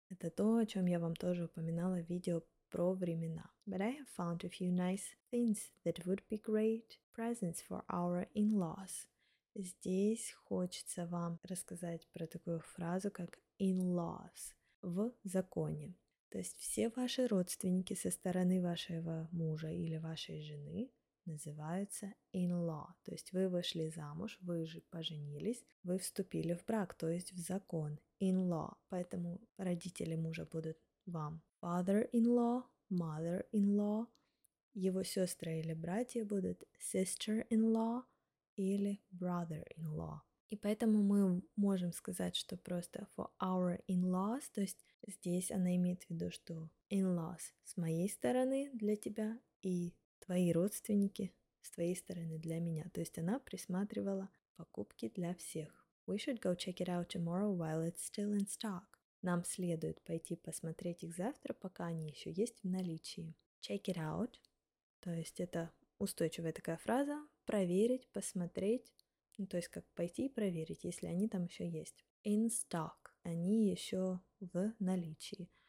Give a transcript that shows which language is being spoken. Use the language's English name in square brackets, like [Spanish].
[Russian] Это то, о чем я вам тоже упоминала в видео про времена. [English] But I have found a few nice things that would be great presents for our in-laws. [Russian] Здесь хочется вам рассказать про такую фразу, как in-laws, в законе. То есть все ваши родственники со стороны вашего мужа или вашей жены называются in-law. То есть вы вышли замуж, вы же поженились, вы вступили в брак, то есть в закон, in-law. Поэтому родители мужа будут вам father-in-law, mother-in-law, его сестры или братья будут sister-in-law или brother-in-law. И поэтому мы можем сказать, что просто [English] for our in-laws, [Russian] то есть здесь она имеет в виду, что in-laws с моей стороны для тебя и твои родственники с твоей стороны для меня. То есть она присматривала покупки для всех. [English] We should go check it out tomorrow while it's still in stock. [Russian] Нам следует пойти посмотреть их завтра, пока они еще есть в наличии. [English] Check it out, [Russian] то есть это устойчивая такая фраза, проверить, посмотреть. Ну, то есть как пойти и проверить, если они там еще есть. [English] In stock. [Russian] Они еще в наличии.